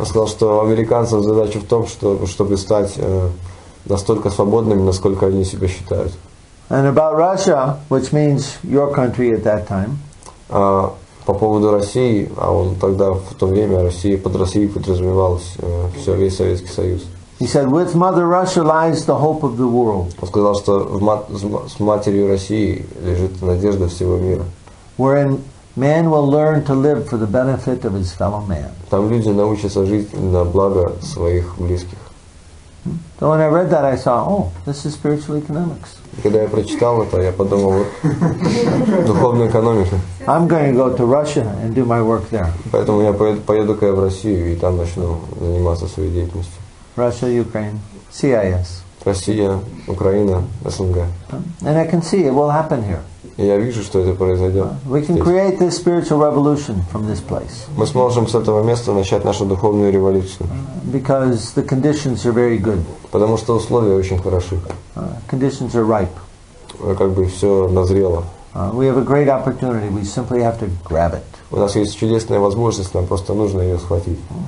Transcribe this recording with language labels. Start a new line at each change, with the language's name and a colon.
Russian: Он сказал, что американцам задача в том, чтобы стать настолько свободными, насколько они себя считают.
English: And about Russia, which means your country at that time.
Russian: По поводу России, а он тогда в то время Россия под Россией подразумевалось все весь Советский Союз.
English: He said, "With Mother Russia lies the hope of the world."
Russian: Он сказал, что с матерью России лежит надежда всего мира.
English: Wherein man will learn to live for the benefit of his fellow man.
Russian: Там люди научатся жить на благо своих близких.
English: So when I read that, I saw, oh, this is spiritual economics.
Russian: Когда я прочитал это, я подумал, вот, духовная экономика.
English: I'm going to go to Russia and do my work there.
Russian: Поэтому я поеду-ка я в Россию и там начну заниматься своей деятельностью.
English: Russia, Ukraine, CIS.
Russian: Россия, Украина, СНГ.
English: And I can see it will happen here.
Russian: И я вижу, что это произойдет.
English: We can create this spiritual revolution from this place.
Russian: Мы сможем с этого места начать нашу духовную революцию.
English: Because the conditions are very good.
Russian: Потому что условия очень хороши.
English: Conditions are ripe.
Russian: Как бы все назрело.
English: We have a great opportunity. We simply have to grab it.
Russian: У нас есть чудесная возможность, нам просто нужно ее схватить.